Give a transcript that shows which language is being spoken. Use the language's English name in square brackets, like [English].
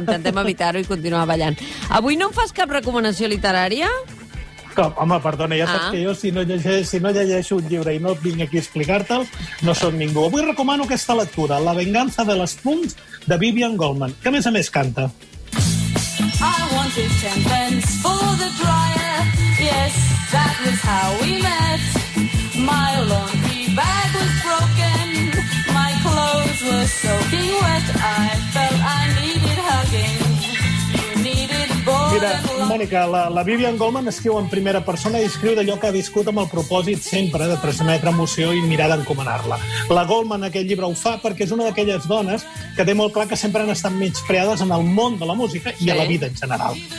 [Catalan] Intentem evitar-ho i continuar ballant. Avui no em fas cap recomanació literària? Com? Home, perdona, ja saps que jo, si no llegeixo un llibre i no vinc aquí a explicar-te'l, no soc ningú. Avui recomano aquesta lectura, La venganza de les punts, de Vivian Goldman, que a més canta. [English] I wanted 10 pence for the dryer. Yes, that was how we met. My laundry bag was broken. My clothes were soaking wet. I felt I needed hugging. [Catalan] Mira, Mònica, la Vivian Goldman escriu en primera persona i escriu d'allò que ha viscut amb el propòsit sempre de transmetre emoció i mirar d'encomanar-la. La Goldman, aquest llibre, ho fa perquè és una d'aquelles dones que té molt clar que sempre han estat menyspreades en el món de la música i a la vida en general.